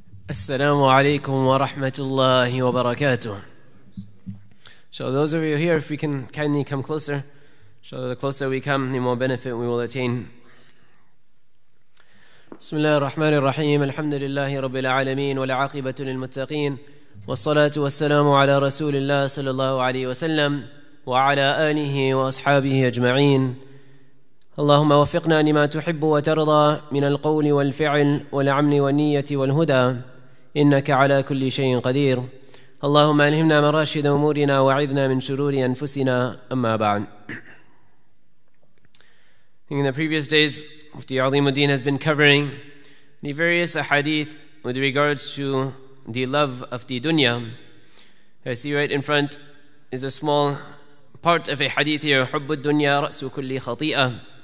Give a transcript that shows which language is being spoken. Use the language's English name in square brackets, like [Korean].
[Arabic] السلام عليكم ورحمة الله وبركاته. [English] So those of you here, if we can kindly come closer, so the closer we come, the more benefit we will attain. [Arabic] بسم الله الرحمن الرحيم الحمد لله رب العالمين والعاقبة للمتقين والصلاة والسلام على رسول الله صلى الله عليه وسلم وعلى آله وأصحابه أجمعين. اللهم وفقنا لما تحب وترضى من القول والفعل والعمل والنية والهدى إنك على كل شيء قدير. اللهم ألهمنا مراشد أمورنا وعذنا من شرور أنفسنا أما بعد. [English] In the previous days, Mufti Azimuddin has been covering the various ahadith with regards to the love of the dunya. I see right in front is a small part of a hadith here, [Arabic] حُبُّ الدُّنْيَا رَأْسُ كُلِّ خَطِيئَةٍ.